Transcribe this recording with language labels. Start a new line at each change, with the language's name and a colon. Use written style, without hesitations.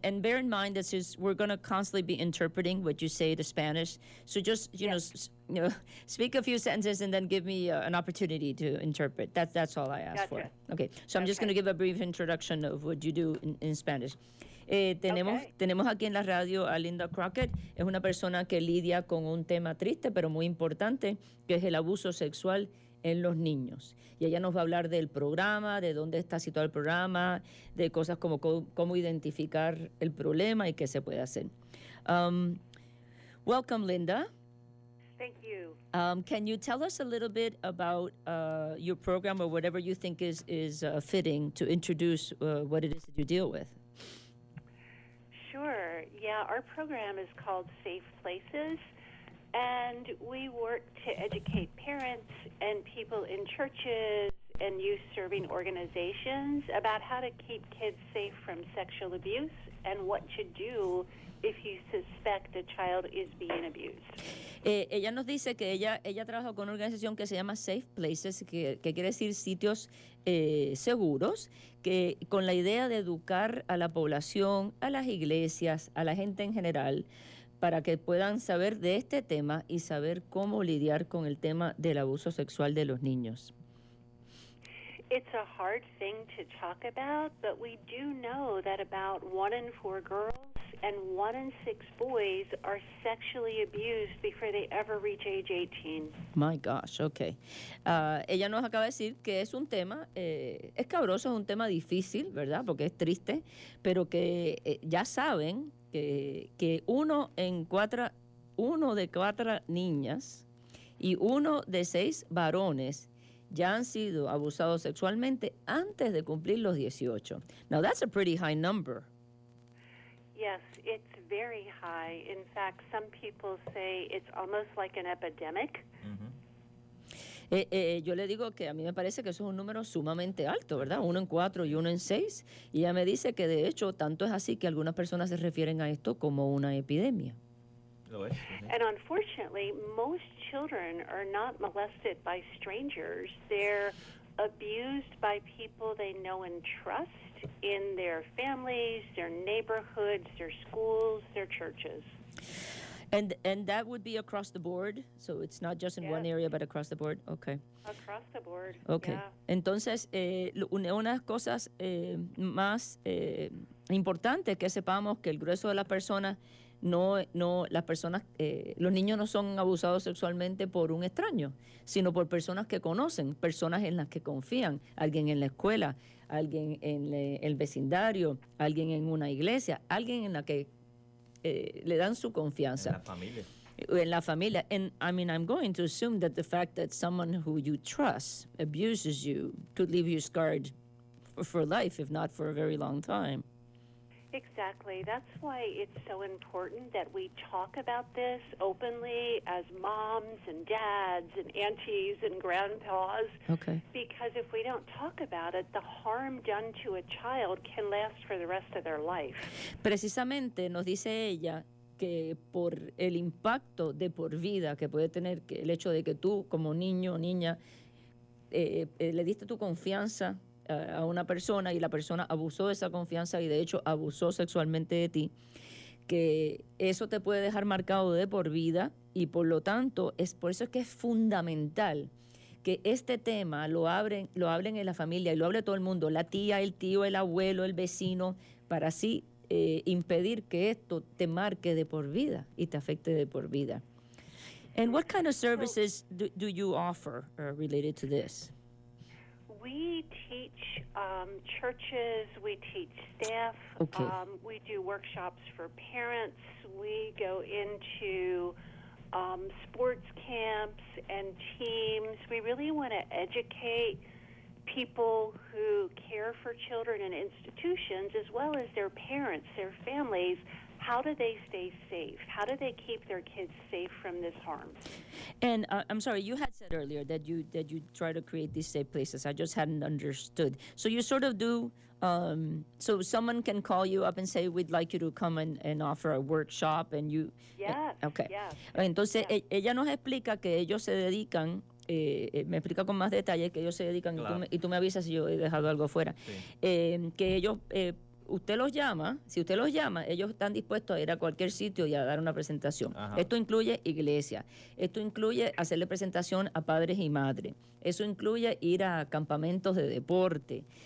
English: And bear in mind, this is, we're going to constantly be interpreting what you say to Spanish. So just, you know, speak a few sentences and then give me an opportunity to interpret. That's all I ask for. Okay, so I'm just going to give a brief introduction of what you do in Spanish.
Spanish: Tenemos aquí en la radio a Linda Crockett. Es una persona que lidia con un tema triste, pero muy importante, que es el abuso sexual en los niños. Y ella nos va a hablar del programa, de dónde está situado el programa, de cosas como cómo identificar el problema y qué se puede hacer.
English: Welcome, Linda. Thank you. Can you tell us a little bit about your program or whatever you think is fitting to introduce what it is that you deal with? Sure. Yeah, our program is called Safe Places. And we work to educate parents and people in churches and youth-serving organizations about how to keep kids safe from sexual abuse and what to do if you suspect a child is being abused. Ella nos dice que ella trabaja con una organización que se llama Safe Places, que quiere decir sitios seguros, que con la idea de educar a la población, a las iglesias, a la gente en general, para que puedan saber de este tema y saber cómo lidiar con el tema del abuso sexual de los niños. It's a hard thing to talk about, but we do know that about 1 in 4 girls and 1 in 6 boys are sexually abused before they ever reach age 18. My gosh, okay. Ella nos acaba de decir que es un tema escabroso, es un tema difícil, ¿verdad? Porque es triste, pero que ya saben que uno de cuatro niñas y 1 de 6 varones ya han sido abusados sexualmente antes de cumplir los 18. Now that's a pretty high number. Yes, it's very high. In fact, some people say it's almost like an epidemic.
Spanish: Yo le digo que a mí me parece que eso es un número sumamente alto, ¿verdad?
English: 1 in 4 and 1 in 6.
Spanish: Y ella me dice que, de hecho, tanto es así que algunas personas se refieren a esto como una epidemia. Lo es. Uh-huh.
English: And unfortunately, most children are not molested by strangers. They're abused by people they know and trust in their families, their neighborhoods, their schools, their churches. And that would be across the board, so it's not just in one area, but across the board. Okay. Across the board. Okay. Yeah.
Spanish: Entonces, una de las cosas más importantes que sepamos que el grueso de las personas los niños no son abusados sexualmente por un extraño, sino por personas que conocen, personas en las que confían, alguien en la escuela, alguien en el vecindario, alguien en una iglesia, alguien en la que le dan su confianza. En la familia.
English: I'm going to assume that the fact that someone who you trust abuses you could leave you scarred for life, if not for a very long time. Exactly. That's why it's so important that we talk about this openly as moms and dads and aunties and grandpas. Okay. Because if we don't talk about it, the harm done to a child can last for the rest of their life.
Spanish: Precisamente nos dice ella que por el impacto de por vida que puede tener el hecho de que tú como niño o niña le diste tu confianza a una persona y la persona abusó de esa confianza y de hecho abusó sexualmente de ti, que eso te puede dejar marcado de por vida y por lo tanto es por eso es que es fundamental que este tema lo hablen en la familia y lo hable todo el mundo, la tía, el tío, el abuelo, el vecino, para así impedir que esto te marque de por vida y te afecte de por vida.
English: And what kind of services do you offer related to this? We teach churches, we teach staff, okay. We do workshops for parents, we go into sports camps and teams. We really want to educate people who care for children in institutions, as well as their parents, their families. How do they stay safe? How do they keep their kids safe from this harm? And I'm sorry, you had said earlier that you try to create these safe places. I just hadn't understood. So you sort of do So someone can call you up and say, we'd like you to come and offer a workshop, and you...
Spanish: Entonces, ella nos explica que ellos se dedican, me explica con más detalle que ellos se dedican, claro. y tú me avisas si yo he dejado algo fuera. Sí. Que ellos, usted los llama, si usted los llama, ellos están dispuestos a ir a cualquier sitio y a dar una presentación. Ajá. Esto incluye iglesia, esto incluye hacerle presentación a padres y madres, eso incluye ir a campamentos de deporte.